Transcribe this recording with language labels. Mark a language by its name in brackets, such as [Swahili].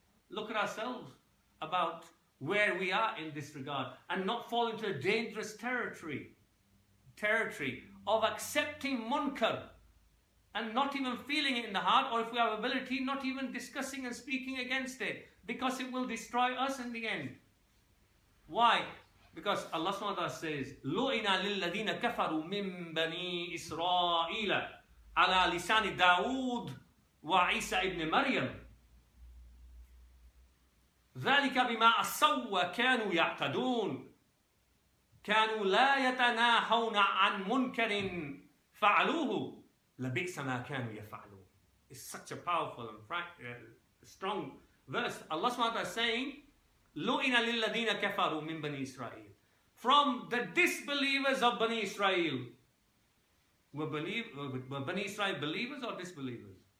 [English] Look at ourselves about where we are in this regard and not fall into a dangerous territory. Territory of accepting munkar and not even feeling it in the heart, or if we have ability, not even discussing and speaking against it, because it will destroy us in the end. Why? Because Allah subhanahu wa ta'ala says, [Arabic] لُعِنَا لِلَّذِينَ كَفَرُوا مِن بَنِي إِسْرَائِيلَ عَلَى لِسَانِ دَاوُودِ وَعِيسَى إِبْنِ مَرْيَمَ ذَلِكَ بِمَا أَصَوَّ كَانُوا يَعْتَدُونَ كَانُوا لَا يَتَنَاهَوْنَ عَنْ مُنْكَرٍ فَعَلُوهُ لَبِئْسَ مَا كَانُوا يَفَعْلُونَ. [English] It's such a powerful and strong verse. Allah subhanahu wa ta'ala is saying, [Arabic] لُئِنَ لِلَّذِينَ كَفَرُوا مِنْ بَنِي إِسْرَائِيلِ. [English] From the disbelievers of Bani Israel. Were Bani Israel believers or disbelievers?